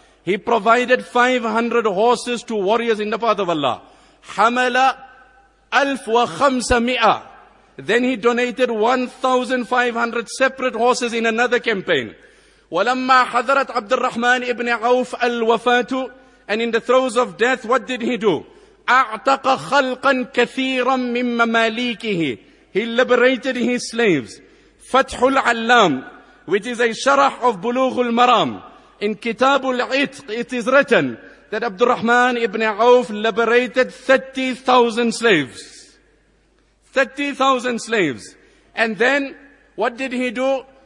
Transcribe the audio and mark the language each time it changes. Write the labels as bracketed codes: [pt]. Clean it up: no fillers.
[en] He provided 500 horses to warriors in the path of Allah. [ar] حَمَلَ أَلْفْ وَخَمْسَمِئَ. [en] Then he donated 1,500 separate horses in another campaign. [ar] وَلَمَّا حَذَرَتْ عَبْدِ الرَّحْمَنِ إِبْنِ عَوْفَ الْوَفَاتُ. [en] And in the throes of death, what did he do? [ar] أَعْتَقَ خَلْقًا كَثِيرًا مِّن مَّمَالِيكِهِ. [en] He liberated his slaves. فَتْحُ الْعَلَّامِ, which is a sharah of Bulughul Maram. In Kitab al-Itq, it is written that Abdul Rahman ibn Auf liberated 30,000 slaves. 30,000 slaves. And then, what did he do?